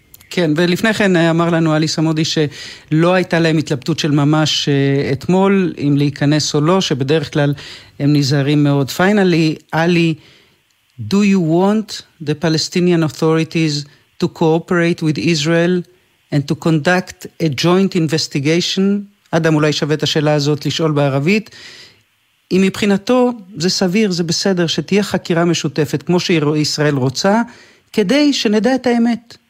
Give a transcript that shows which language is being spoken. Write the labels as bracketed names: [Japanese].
[Hebrew] כן, ולפני כן אמר לנו אלי סמודי שלא הייתה להם התלבטות של ממש אתמול, אם להיכנס או לא, שבדרך כלל הם נזהרים מאוד. [English] Finally, אלי, do you want the Palestinian authorities to cooperate with Israel and to conduct a joint investigation? [Hebrew] אדם אולי שווה את השאלה הזאת לשאול בערבית. אם מבחינתו זה סביר, זה בסדר, שתהיה חקירה משותפת כמו שישראל רוצה, כדי שנדע את האמת.